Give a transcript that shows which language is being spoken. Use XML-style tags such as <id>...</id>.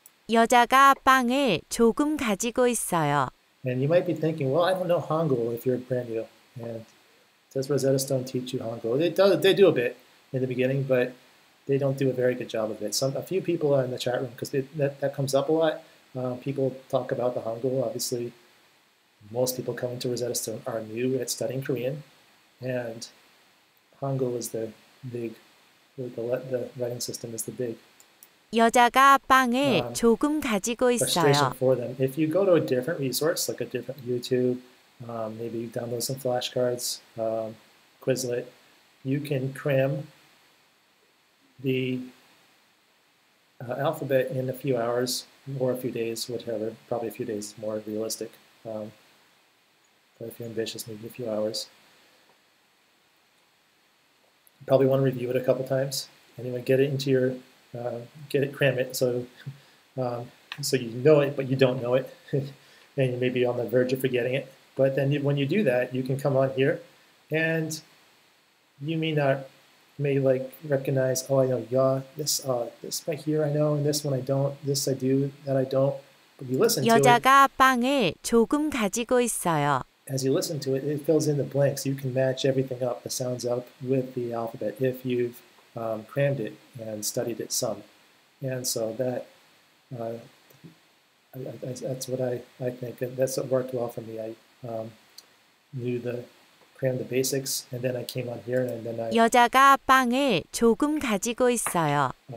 <ko>여자가 빵을 조금 가지고 있어요.</ko> <en>And you might be thinking, well, I don't know Hangul if you're brand new. And does Rosetta Stone teach you Hangul? They do a bit in the beginning, but they don't do a very good job of it. A few people are in the chat room, because that comes up a lot. People talk about the Hangul. Obviously, most people coming to Rosetta Stone are new at studying Korean. And Hangul is the big, the writing system is the big</en> <ko>여자가 빵을 조금 가지고 있어요.</ko> <en>For them. If you go to a different resource, like a different YouTube, maybe you download some flashcards, Quizlet, you can cram the alphabet in a few hours or a few days, whatever, probably a few days is more realistic. But if you're ambitious, maybe a few hours. You probably want to review it a couple times. Anyway, get it into your... get it, cram it, so you know it, but you don't know it, and you may be on the verge of forgetting it. But then when you do that, you can come on here, and you may not, may like recognize, oh, I know ya, this right here I know, and this one I don't, this I do, that I don't, but you listen to it.</en> <ko>여자가 빵을 조금 가지고 있어요.</ko> <en>As you listen to it, it fills in the blanks. You can match everything up, the sounds up, with the alphabet, if you've crammed it and studied it some. And so that that's what I think, and that's what worked well for me. I knew the crammed the basics, and then I came on here, and then I</en> <ko>여자가 빵을 조금 가지고 있어요.</ko>